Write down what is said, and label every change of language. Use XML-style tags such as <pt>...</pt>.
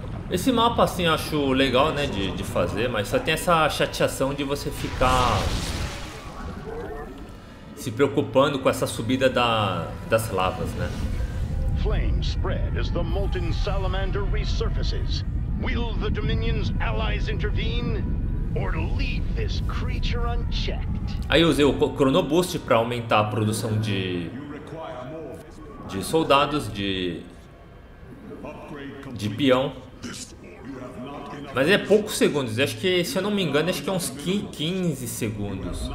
<pt>Esse mapa assim eu acho legal, né, de fazer, mas só tem essa chateação de você ficar se preocupando com essa subida das lavas, né?</pt> <en>Flame spread as the molten salamander resurfaces. Will the Dominion's allies intervene? Or leave this creature unchecked?</en> <pt>Aí eu usei o Chrono Boost para aumentar a produção de soldados, de peão. Mas é poucos segundos, acho que, se eu não me engano, acho que é uns 15 segundos.</pt>